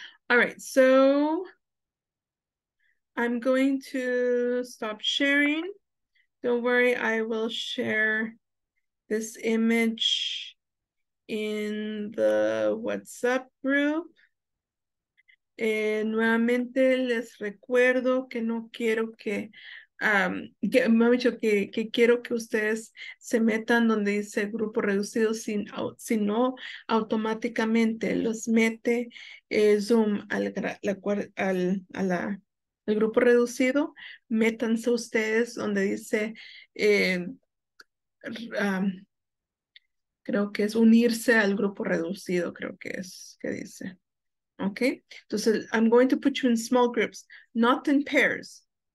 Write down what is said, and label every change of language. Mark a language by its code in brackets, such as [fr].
[en] All right, so I'm going to stop sharing. Don't worry, I will share this image in the WhatsApp group. [es] Nuevamente les recuerdo que no quiero que que quiero que ustedes se metan donde dice grupo reducido, si no automáticamente los mete Zoom al grupo reducido. Métanse ustedes donde dice creo que es unirse al grupo reducido, creo que es que dice. [en] Okay, entonces I'm going to put you in small groups, not in pairs.